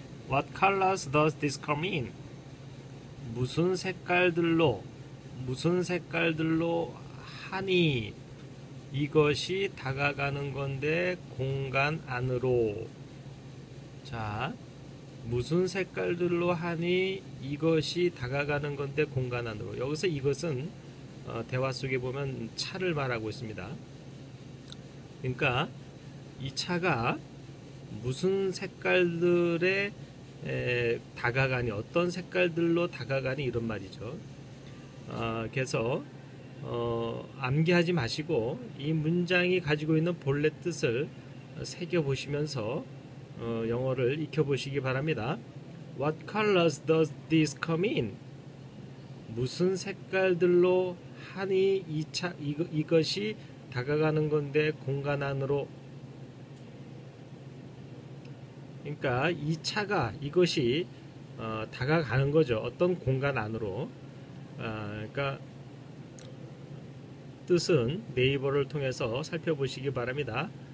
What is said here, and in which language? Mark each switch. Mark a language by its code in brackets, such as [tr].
[en] What colors does this come in? [ko] 무슨 색깔들로, 무슨 색깔들로 하니 이것이 다가가는 건데 공간 안으로. 자, 무슨 색깔들로 하니 이것이 다가가는 건데 공간 안으로. 여기서 이것은 대화 속에 보면 차를 말하고 있습니다. 그러니까 이 차가 무슨 색깔들에 다가가니, 어떤 색깔들로 다가가니, 이런 말이죠. 그래서 암기하지 마시고 이 문장이 가지고 있는 본래 뜻을 새겨보시면서 영어를 익혀보시기 바랍니다. [en] What colors does this come in? [ko] 무슨 색깔들로 하니 이것이 다가가는 건데 공간 안으로. 그러니까 이 차가, 이것이 다가가는 거죠. 어떤 공간 안으로. 그러니까 뜻은 네이버를 통해서 살펴보시기 바랍니다.